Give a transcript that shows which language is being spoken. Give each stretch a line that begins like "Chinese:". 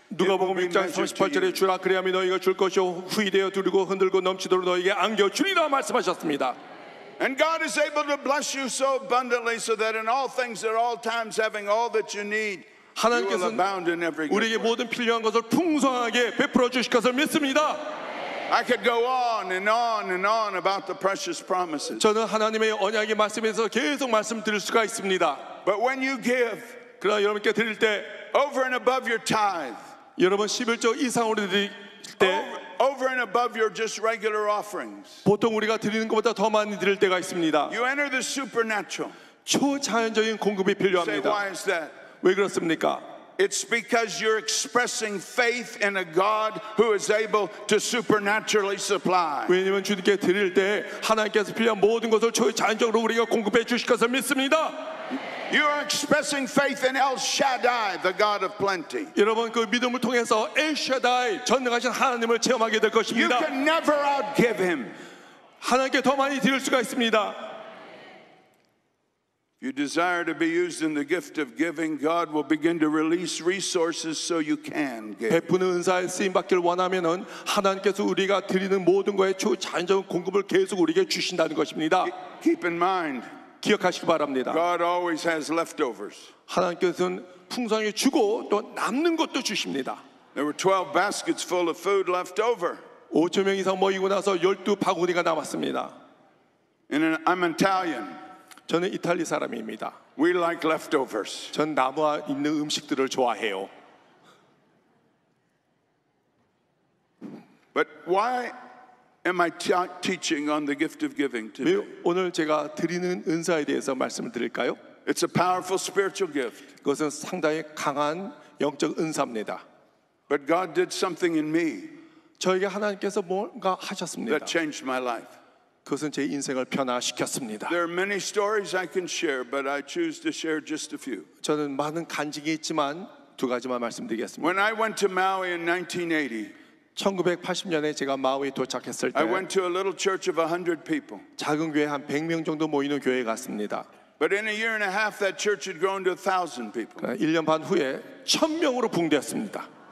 Korean: 누가복음 6장 38절에 주라 그리하면 너희가 줄 것이요 후이되어 두르고 흔들고 넘치도록 너희에게 안겨 주리라 말씀하셨습니다.
English: And God is able to bless you so abundantly so that in all things at all times having all that you need.
Korean: 하나님께서는 우리에게 모든 필요한 것을 풍성하게 베풀어 주실 것을 믿습니다.
English: I could go on and on and on about the precious promises.
Korean: 저는 하나님의 언약의 말씀에서 계속 말씀드릴 수가 있습니다.
English: But when you give,
Korean: 그러나 여러분께 드릴 때,
English: over and above your tithe,
Korean: 여러분 십일조 이상으로 드릴 때,
English: over and above your just regular offerings,
Korean: 보통 우리가 드리는 것보다 더 많이 드릴 때가 있습니다.
English: You enter the supernatural.
Korean: 초자연적인 공급이 필요합니다.
English: Say, why is that?
Korean: 왜 그렇습니까?
English: It's because you're expressing faith in a God who is able to supernaturally supply.
Korean: 왜냐하면 주님께 드릴 때 하나님께서 필요한 모든 것을 초자연적으로 우리가 공급해 주실 것을 믿습니다.
English: You are expressing faith in El Shaddai, the God of plenty.
Korean: 여러분 그 믿음을 통해서 El Shaddai 전능하신 하나님을 체험하게 될 것입니다.
English: You can never outgive him.
Korean: 하나님께 더 많이 드릴 수가 있습니다.
English: You desire to be used in the gift of giving, God will begin to release resources so you can give.
Korean: 베푸는 은사에 쓰임 받기를 원하면은 하나님께서 우리가 드리는 모든 것에 초자연적인 공급을 계속 우리에게 주신다는 것입니다.
English: Keep in mind,
Korean: 기억하시기 바랍니다.
English: God always has leftovers.
Korean: 하나님께서는 풍성히 주고 또 남는 것도 주십니다.
English: There were 12 baskets full of food left over.
Korean: 5천 명 이상 모이고 나서 12 바구니가 남았습니다.
English: I'm Italian.
Korean: 저는 이탈리아 사람입니다.
English: We like leftovers.
Korean: 전 남아 있는 음식들을 좋아해요.
English: But why am I teaching on the gift of giving today?
Korean: 왜 오늘 제가 드리는 은사에 대해서 말씀을 드릴까요?
English: It's a powerful spiritual gift.
Korean: 그것은 상당히 강한 영적 은사입니다.
English: But God did something in me.
Korean: 저에게 하나님께서 뭔가 하셨습니다.
English: That changed my life.
Korean: 그것은 제 인생을 변화시켰습니다.
English: There are many stories I can share, but I choose to share just a few.
Korean: 저는 많은 간증이 있지만 두 가지만 말씀드리겠습니다.
English: When I went to Maui in 1980,
Korean: 1980년에 제가 마우이에 도착했을 때,
English: I went to a little church of 100 people.
Korean: 작은 교회 한 100명 정도 모이는 교회에 갔습니다.
English: But in a year and a half, that church had grown to 1,000 people.
Korean: 1년 반 후에 1,000명으로 붕대었습니다.